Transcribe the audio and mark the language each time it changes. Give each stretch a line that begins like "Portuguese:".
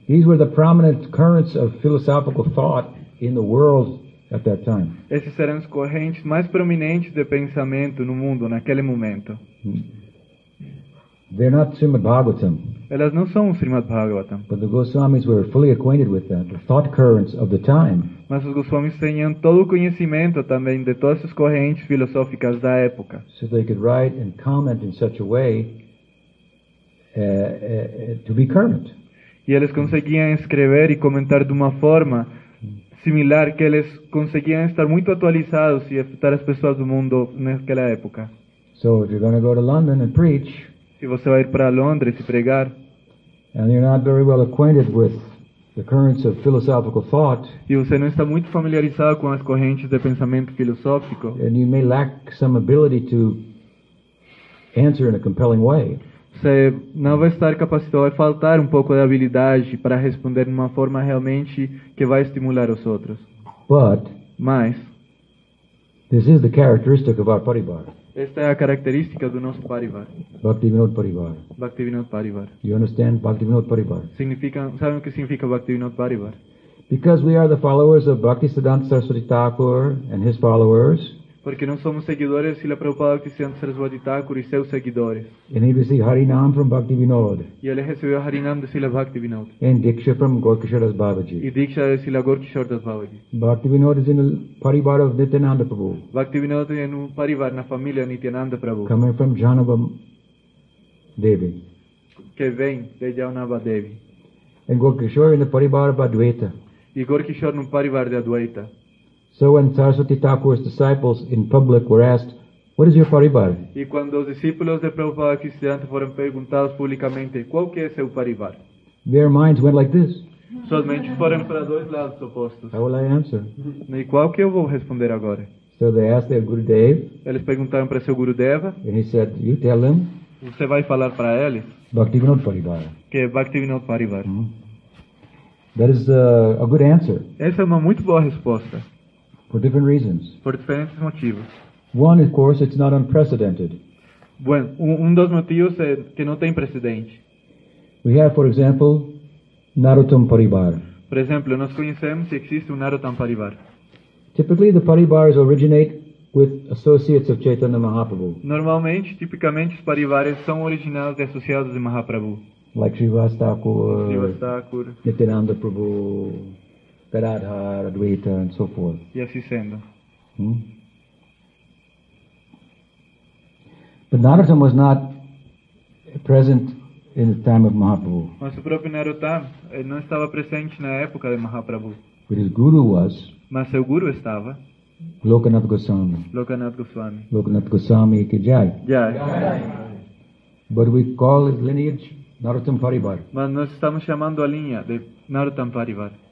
English: These were the prominent currents of philosophical thought in the world at that time.
Portuguese: Esses eram as correntes mais prominentes de pensamento no mundo naquele momento.
English: They're not Srimad Bhagavatam.
Portuguese: Elas não são Srimad Bhagavatam.
English: But the Goswamis were fully acquainted with that, the thought currents of the time.
Portuguese: Mas os Goswamis tinham todo o conhecimento também de todas as correntes filosóficas da época.
English: So they could write and comment in such a way to be current.
Portuguese: E eles conseguiam escrever e comentar de uma forma similar que eles conseguiam estar muito atualizados e afetar as pessoas do mundo naquela época.
English: So if you're going to go to London and preach,
Portuguese: se você vai ir para Londres e pregar,
English: and you're not very well acquainted with the currents of philosophical thought,
Portuguese: e você não está muito familiarizado com as correntes de pensamento filosófico,
English: and you may lack some ability to answer in a compelling way,
Portuguese: você não vai estar capacitado, vai faltar um pouco de habilidade para responder de uma forma realmente que vai estimular os outros.
English: But,
Portuguese: mas,
English: this is the characteristic of our Parivar.
Portuguese: Esta é a característica do nosso Parivar.
English: Bhaktivinoda Parivar.
Portuguese: Bhaktivinoda Parivar.
English: You understand Bhaktivinoda Parivar?
Portuguese: Significa, sabe o que significa Bhaktivinoda Parivar?
English: Because we are the followers of Bhaktisiddhanta Saraswati Thakur and his followers.
Portuguese: Porque nós somos seguidores de Srila Prabhupada Bhaktisiddhanta Saraswati Thakur e seus seguidores.
English: And he received Harinam from Bhaktivinoda.
Portuguese: E ele recebeu Harinam de Srila Bhaktivinoda.
English: And Diksha from Gorkhishoras Babaji.
Portuguese: E Diksha de Srila Gorkhishoras Babaji.
English: Bhaktivinoda is in the Parivar of Nityananda Prabhu.
Portuguese: Bhaktivinoda é no Parivar, na família Nityananda Prabhu.
English: Coming from Janava Devi.
Portuguese: que vem de Jaunavadevi. Em Gor Kishor no Parivarta Advaita. E Gor Kishor no Parivarta Advaita.
English: So when Saraswati Thakur's disciples in public were asked, "What is your parivar?"
Portuguese: E quando os discípulos de Prabhupada Kishyanta foram perguntados publicamente, qual que é seu parivar?
English: Their minds went like this.
Portuguese: Somente foram para dois lados opostos.
English: How will I answer?
Portuguese: E qual que eu vou responder agora?
English: So they asked their Gurudev.
Portuguese: Eles perguntaram para seu Gurudeva.
English: And he said, "You tell them."
Portuguese: Você vai falar para eles?
English: Bhaktivinoda Parivar.
Portuguese: Que é Bhaktivinoda Parivar. Mm-hmm.
English: That is a good answer.
Portuguese: Essa é uma muito boa resposta.
English: For different reasons.
Portuguese: Por diferentes motivos.
English: One, of course, it's not unprecedented.
Spanish: Bueno,
Portuguese: dos motivos é que não tem precedente.
English: We have, for example, Narottam Parivar.
Portuguese: Por exemplo, nós conhecemos que existe Narottam Parivar.
English: Typically, the Parivars originate with associates of Chaitanya Mahaprabhu.
Portuguese: Normalmente, tipicamente, os Parivars são originados de associados de Mahaprabhu.
English: Like Srivastakur, Nityananda Prabhu, Gadadhar, Advaita, and so forth.
Portuguese: E assim sendo.
English: But Narottam was not present in the time of Mahaprabhu.
Portuguese: Mas o próprio Narottam não estava presente na época de Mahaprabhu.
English: But his guru was.
Portuguese: Mas seu guru estava.
English: Lokanath Goswami.
Portuguese: Lokanath Goswami.
Hindi: Lokanath Goswami ki jai. Jai.
English: But we call his lineage Narottam Parivar.
Portuguese: Mas nós estamos chamando a linha de Narottam Parivar.